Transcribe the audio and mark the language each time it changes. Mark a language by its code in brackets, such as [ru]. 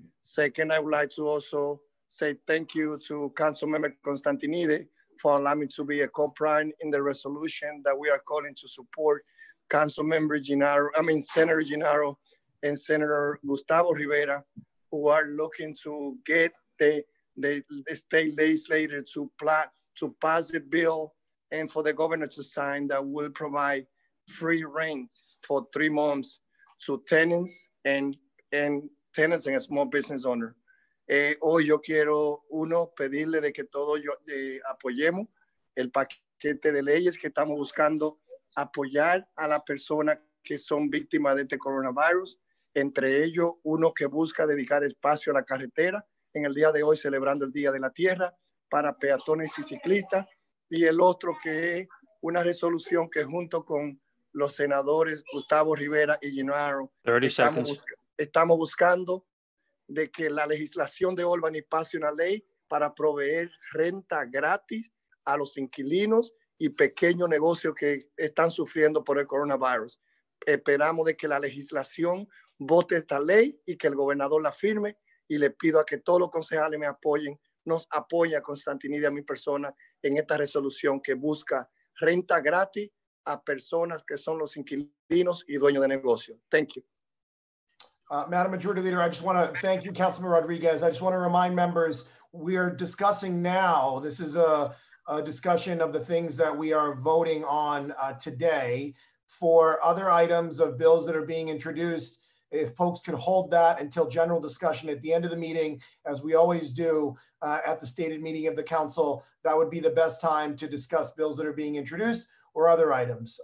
[en] Second, I would like to also say thank you to Councilmember Constantinides for allowing me to be a co-prime in the resolution that we are calling to support Councilmember Gennaro, Senator Gennaro and Senator Gustavo Rivera, who are looking to get the state legislator to pass the bill and for the governor to sign that will provide free rent for 3 months to tenants and tenants and a small business owner. [es] Hoy yo quiero uno pedirle de que todos apoyemos el paquete de leyes que estamos buscando apoyar a las personas que son víctimas de este coronavirus, entre ellos uno que busca dedicar espacio a la carretera en el día de hoy celebrando el Día de la Tierra para peatones y ciclistas, y el otro que es una resolución que junto con los senadores Gustavo Rivera y Gennaro estamos buscando de que la legislación de Albany pase una ley para proveer renta gratis a los inquilinos y pequeños negocios que están sufriendo por el coronavirus. Esperamos de que la legislación vote esta ley y que el gobernador la firme, y le pido a que todos los concejales me apoyen, nos apoya Constantinides a mi persona en esta resolución que busca renta gratis a personas que son los inquilinos y dueños de negocio. [en] Thank you. Madam Majority Leader, I just want to thank you, Councilman Rodriguez. I just want to remind members, we are discussing now, this is a discussion of the things that we are voting on today. For other items of bills that are being introduced, if folks could hold that until general discussion at the end of the meeting, as we always do at the stated meeting of the council, that would be the best time to discuss bills that are being introduced or other items.